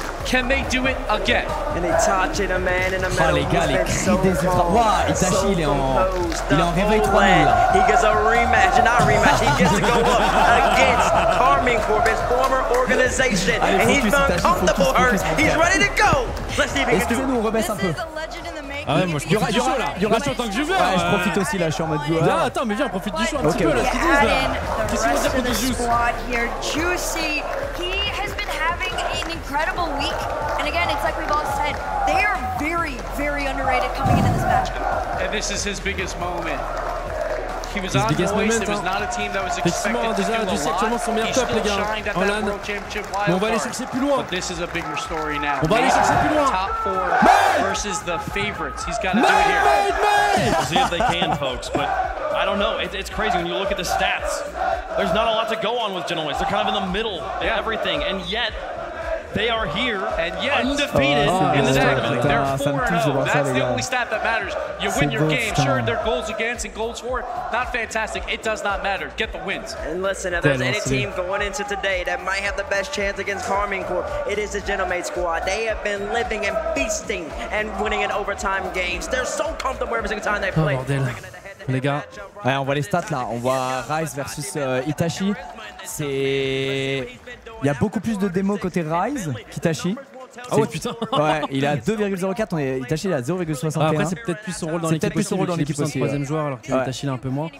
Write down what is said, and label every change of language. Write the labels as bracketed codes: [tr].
[en] Can they do it again? And they touch it, a man in a metal. [fr] Oh, les gars, les cris des ultras. Wow, Itachi, il est en. Il est en réveil 3-0. [en] He gets a rematch, and I rematch. He gets to go up against Carmine Corp, his former organization. [fr] Allez, [en] and he's found comfortable hurts. He's ready to go. Let's see if he can do it. [fr] Ah ouais, moi je profite du show là. Il y aura sur tant que je veux. Ouais, je profite aussi là, je suis en mode viewer. Ah, attends, mais viens, profite du show un petit peu là, ce qu'ils disent là. Qu'est-ce qu'ils vont dire pour des [en] Juicy. He has been having an incredible week. And again, it's like we've all said, they are very, very underrated coming into this match. And this is his biggest moment. He was on voice, moment, was not a team that was expected [fr] déjà, [en] to do a lot. [fr] Son meilleur top, les gars, en LAN. On va aller chercher plus loin. [en] But this is a bigger story now. [fr] On va aller chercher plus loin. [en] Top four made versus the favorites. He's got to do it here. We'll see if they can, folks. But I don't know. It's crazy when you look at the stats. There's not a lot to go on with Gentlemates. They're kind of in the middle of everything. And yet, they are here and yet undefeated in this tournament. They're 4-0. That's the only stat that matters. You win your game. Sure, their goals against and goals for, not fantastic. It does not matter. Get the wins. And listen, if there's any team going into today that might have the best chance against Carmine Corp, it is the Gentlemates squad. They have been living and feasting and winning in overtime games. They're so comfortable every single time they play. [fr] Les gars, ouais, on voit les stats là, on voit Ryze versus Itachi. C'est... Il y a beaucoup plus de démos côté Ryze qu'Itachi. Ah ouais, putain. Ouais, il est à 2,04, on est... Itachi est à 0,61. Après c'est peut-être plus son rôle dans c'est l'équipe peut-être aussi, plus son rôle dans l'équipe aussi, troisième ouais. joueur alors qu'Itachi l'a un peu moins.